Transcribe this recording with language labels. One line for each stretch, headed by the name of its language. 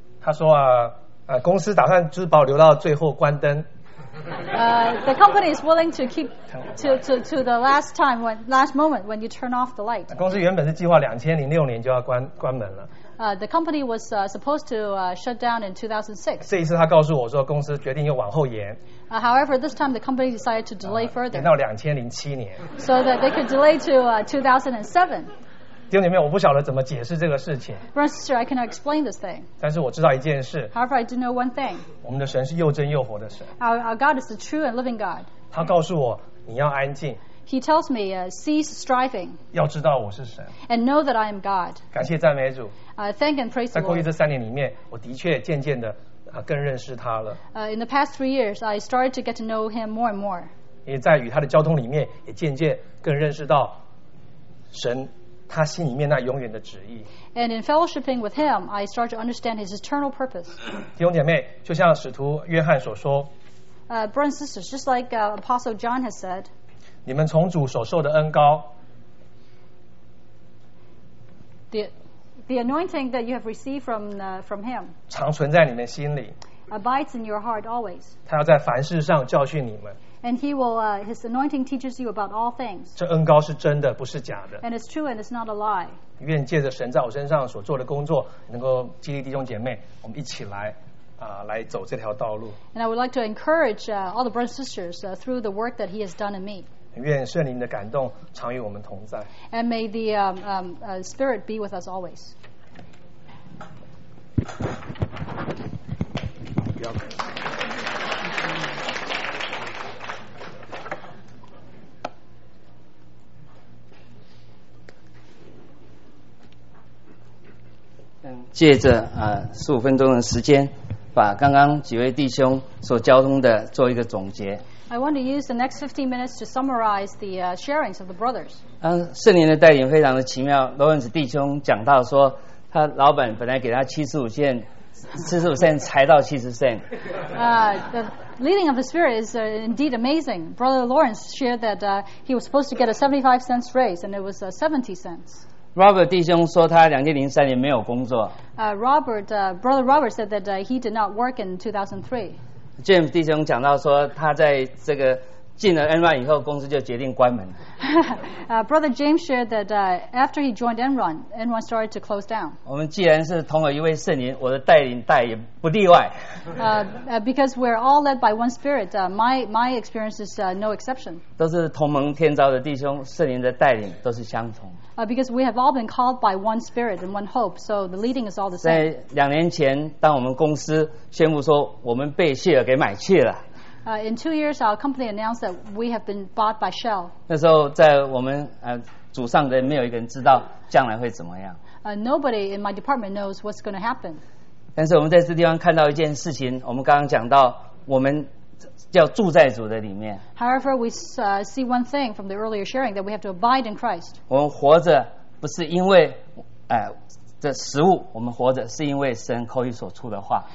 Chinese: 他说公司打算就是把我留到最后关灯。
English: The company is willing to keep to the last time when last moment when you turn off the light.
Chinese: 公司原本是计划2006年就要关门了。
English: The company was supposed to shut down in 2006.
Chinese: 这一次他告诉我说公司决定又往后延。
English: However, this time the company decided to delay further.
Chinese: 延到2007年。
English: So that they could delay to 2007.
Chinese: 弟兄姐妹，我不晓得怎么解释这个事情。
English: Brother sister, I cannot explain this thing.
Chinese: 但是我知道一件事。
English: However, I do know one thing.
Chinese: 我们的神是又真又活的神。
English: Our God is the true and living God.
Chinese: 他告诉我，你要安静。
English: He tells me, cease striving.
Chinese: 要知道我是神。
English: And know that I am God.
Chinese: 感谢赞美主。
English: Thank and praise the Lord.
Chinese: 在过去这三年里面，我的确渐渐的更认识他了。
English: In the past 3 years, I started to get to know him more and more.
Chinese: 也在与他的交通里面，也渐渐更认识到神。他心里面那永远的旨意。
English: And in fellowshipping with him, I start to understand his eternal purpose.
Chinese: 弟兄姐妹，就像使徒约翰所说。
English: Brothers and sisters, just like Apostle John has said.
Chinese: 你们从主所受的恩膏。
English: The anointing that you have received from him.
Chinese: 常存在你们心里。
English: Abides in your heart always.
Chinese: 他要在凡事上教训你们。
English: And he will, his anointing teaches you about all things.
Chinese: 这恩膏是真的，不是假的。
English: And it's true and it's not a lie.
Chinese: 愿借着神在我身上所做的工作，能够激励弟兄姐妹，我们一起来。来走这条道路。
English: And I would like to encourage all the brothers and sisters through the work that he has done in me.
Chinese: 愿圣灵的感动常与我们同在。
English: And may the Spirit be with us always.
Chinese: 借着十五分钟的时间。把刚刚几位弟兄所交通的做一个总结。
English: I want to use the next 15 minutes to summarize the sharings of the brothers.
Chinese: 圣灵的带领非常的奇妙。 Lawrence 弟兄讲到说，他老板本来给他75%，才到70%。
English: The leading of the Spirit is indeed amazing. Brother Lawrence shared that he was supposed to get a 75-cent raise, and it was 70 cents.
Chinese: Robert 弟兄说他2003年没有工作。
English: Brother Robert said that he did not work in 2003.
Chinese: James 弟兄讲到说他在这个进了 Enron 以后，公司就决定关门。
English: Brother James shared that after he joined Enron, Enron started to close down.
Chinese: 我们既然是同有一位圣灵，我的带领带也不例外。
English: Because we're all led by one Spirit, my experience is no exception.
Chinese: 都是同盟天召的弟兄，圣灵的带领都是相同。
English: Because we have all been called by one Spirit and one hope, so the leading is all the same.
Chinese: 在两年前，当我们公司宣布说我们被谢尔给买去了。
English: In 2 years, our company announced that we have been bought by Shell.
Chinese: 那时候在我们组上的没有一个人知道将来会怎么样。
English: Nobody in my department knows what's going to happen.
Chinese: 但是我们在这地方看到一件事情，我们刚刚讲到我们叫住在主的里面。
English: However, we see one thing from the earlier sharing that we have to abide in Christ.
Chinese: 我们活着不是因为这食物，我们活着是因为神口里所出的话。